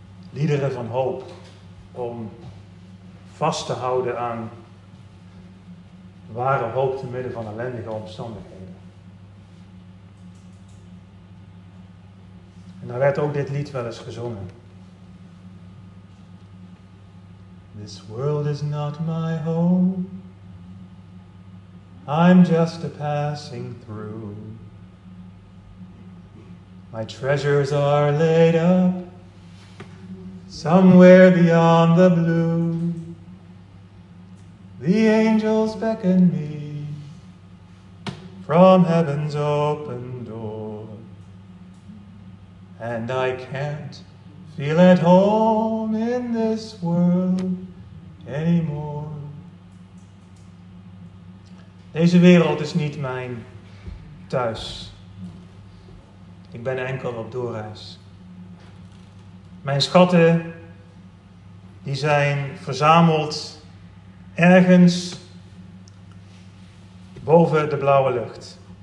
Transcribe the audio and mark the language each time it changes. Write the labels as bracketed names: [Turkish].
[Dutch] Liederen van hoop om vast te houden aan ware hoop te midden van ellendige omstandigheden. En daar werd ook dit lied wel eens gezongen. [English] This world is not my home. I'm just a passing through. My treasures are laid up somewhere beyond the blue. The angels beckon me from heaven's open door. And I can't feel at home in this world anymore. [Dutch] Deze wereld is niet mijn thuis. Ik ben enkel op doorreis. Mijn schatten, die zijn verzameld ergens boven de blauwe lucht.